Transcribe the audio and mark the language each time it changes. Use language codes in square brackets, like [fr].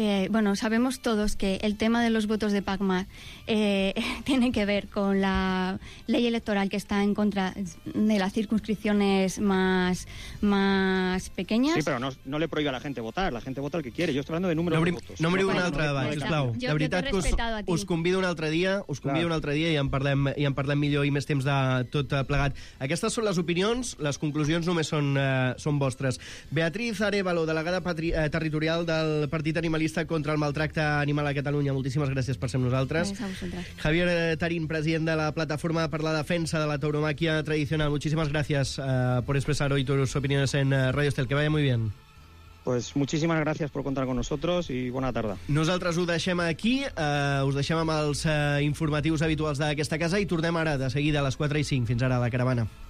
[es] Bueno, sabemos todos que el tema de los votos de Pagma tiene que ver con la ley electoral que está en contra de las circunscripciones más pequeñas. Sí, pero no le prohíbe a la gente votar. La gente vota el que quiere. Yo estoy hablando de números de votos. [ca] No me digo una altra de baix, sisplau. De veritat que us convido un altre dia, i en parlem millor i més temps de tot plegat. Aquestes són les opinions. Les conclusions només són vostres. Beatriz Arévalo, delegada territorial del Partit Animalista animalista contra el maltracte animal a Catalunya. Moltíssimes gràcies per ser amb nosaltres. Gràcies a vosaltres. Javier Tarín, president de la Plataforma per la Defensa de la Tauromàquia Tradicional. Moltíssimes gràcies per expressar [es] hoy tus opiniones en Radio Estel. Que vaya muy bien. Pues muchísimas gracias por contar con nosotros y buena tarde. [ca] Nosaltres ho deixem aquí, us deixem amb els informatius habituals d'aquesta casa i tornem ara de seguida a les 4:05. Fins ara, la caravana.